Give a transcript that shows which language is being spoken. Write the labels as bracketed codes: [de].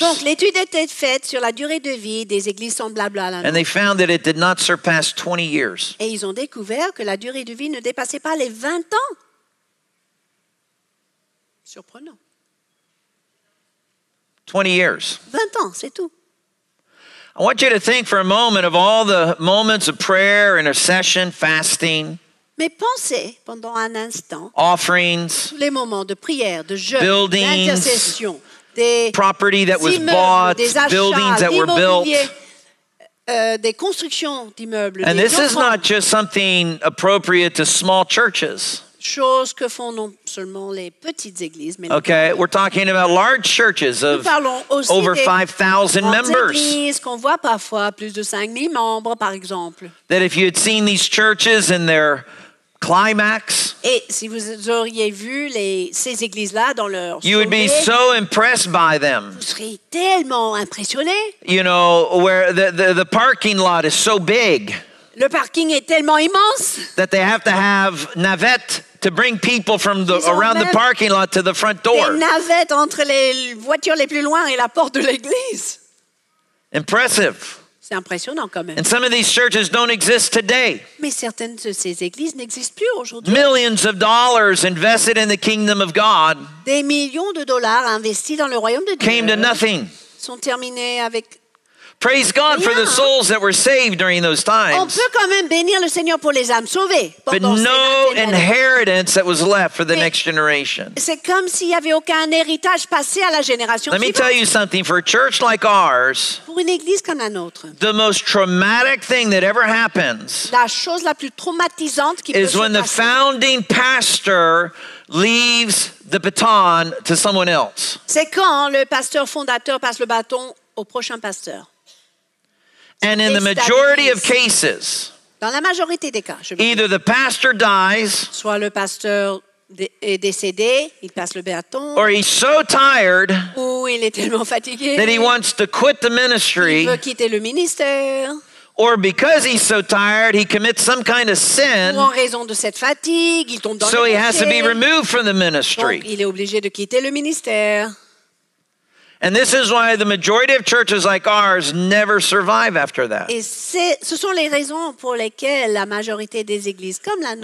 [fr] Donc l'étude était faite sur la durée de vie des églises semblables à la nôtre. [en] And they found that it did not surpass 20 years. [fr] Et ils ont découvert que la durée de vie ne dépassait pas les 20 ans. Surprenant. [en] 20 years. [fr] 20 ans, c'est tout. [en] I want you to think for a moment of all the moments of prayer, intercession, fasting. [fr] Mais pensez pendant un instant [en] offerings, [fr] les moments de prière, de jeûne, [en] buildings, [fr] d'intercession, des [en] property that was bought, [fr] des achats, [en] buildings that were built, [fr] des constructions d'immeubles. [en] And this is not just something appropriate to small churches. [fr] Chose que font non seulement les petites églises, mais [en] we're talking about large churches of over 5,000 members. [fr] Nous parlons aussi des qu'on voit parfois plus de 5,000 membres, par exemple. [en] That if you had seen these churches in their climax, [fr] et si vous auriez vu ces églises-là dans leur sommet, [en] you would be so impressed by them. [fr] Vous seriez tellement impressionné. [en] You know where the parking lot is so big. [fr] Le parking est tellement immense. [en] That they have to have navette to bring people from the around the parking lot to the front door. [fr] Des navettes entre les voitures les plus loin et la porte de l'église. [en] Impressive. [fr] C'est impressionnant quand même. [en] And some of these churches don't exist today. [fr] Mais certaines de ces églises n'existent plus aujourd'hui. [en] Millions of dollars invested in the kingdom of God. [fr] Des millions de dollars investis dans le royaume de Dieu. [en] Came to nothing. [fr] Sont terminés avec. [en] Praise God for the souls that were saved during those times. [fr] On peut quand même bénir le Seigneur pour les âmes sauvées. [en] But no inheritance that was left for the next generation. [fr] C'est comme s'il y avait aucun héritage passé à la génération suivante. [en] Let me tell you something. For a church like ours, [fr] pour une église comme la nôtre, [en] the most traumatic thing that ever happens, [fr] la chose la plus traumatisante qui peut [en] se passer, is when the founding pastor leaves the baton to someone else. [fr] C'est quand le pasteur fondateur passe le bâton au prochain pasteur. [en] And in the majority of cases, [fr] dans la majorité des cas, [en] either the pastor dies, [fr] soit le pasteur est décédé, il passe le bâton, [en] or he's so tired, [fr] ou il est tellement fatigué, [en] that he wants to quit the ministry, [fr] il veut quitter le ministère, [en] or because he's so tired, he commits some kind of sin, [fr] ou en raison de cette fatigue, il tombe dans [en] so [fr] le péché, [en] so he has to be removed from the ministry. [fr] Donc, il est obligé de quitter le ministère. [en] And this is why the majority of churches like ours never survive after that. [fr] Et ce sont les raisons pour lesquelles la majorité des églises comme la nôtre.